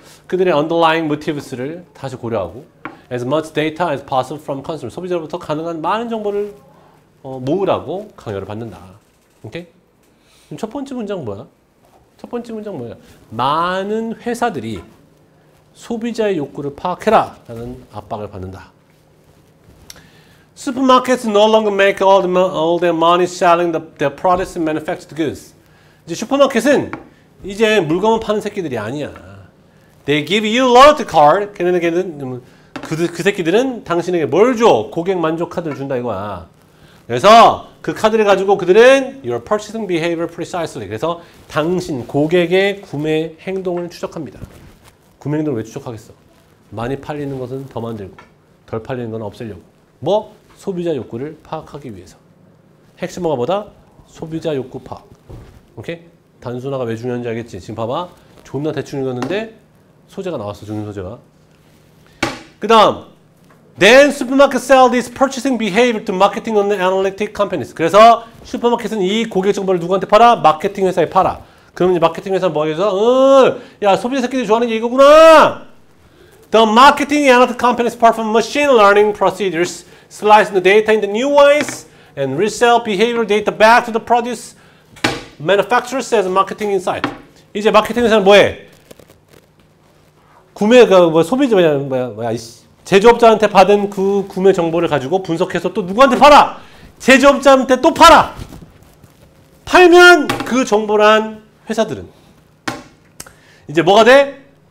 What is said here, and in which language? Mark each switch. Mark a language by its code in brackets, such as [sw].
[ko] 그들의 [en] underlying motives [ko] 를 다시 고려하고 [en] as much data as possible from consumer [ko] 소비자로부터 가능한 많은 정보를 모으라고 강요를 받는다. 오케이? 첫 번째 문장 뭐야? 첫 번째 문장 뭐야? 많은 회사들이 소비자의 욕구를 파악해라 라는 압박을 받는다. [en] Supermarkets no longer make all their money selling their products and manufactured goods. [ko] 이제 슈퍼마켓은 이제 물건을 파는 새끼들이 아니야. [en] They give you loyalty card. [ko] 그 새끼들은 당신에게 뭘 줘? 고객 만족 카드를 준다 이거야. 그래서 그 카드를 가지고 그들은 [en] your purchasing behavior precisely. [ko] 그래서 당신 고객의 구매 행동을 추적합니다. 구매 행동을 왜 추적하겠어? 많이 팔리는 것은 더 만들고 덜 팔리는 건 없애려고 뭐? 소비자 욕구를 파악하기 위해서 핵심어가 뭐다? 소비자 욕구 파악 오케이? 단순화가 왜 중요한지 알겠지? 지금 봐봐 존나 대충 읽었는데 소재가 나왔어 중요한 소재가 그 다음 [en] Then supermarket sell this purchasing behavior to marketing and analytic companies [ko] 그래서 슈퍼마켓은 이 고객 정보를 누구한테 팔아? 마케팅 회사에 팔아 그러면 마케팅 회사는 뭐 해서 야 소비자 새끼들이 좋아하는 게 이거구나. [en] The marketing analytics companies perform machine learning procedures, slice the data into new ways, and resell behavior data back to the produce manufacturers as marketing insight. [ko] 이제 마케팅 회사는 뭐해? 구매가 뭐 소비자 뭐야 제조업자한테 받은 그 구매 정보를 가지고 분석해서 또 누구한테 팔아? 제조업자한테 또 팔아. 팔면 그 정보란 회사들은 이제 뭐가 돼?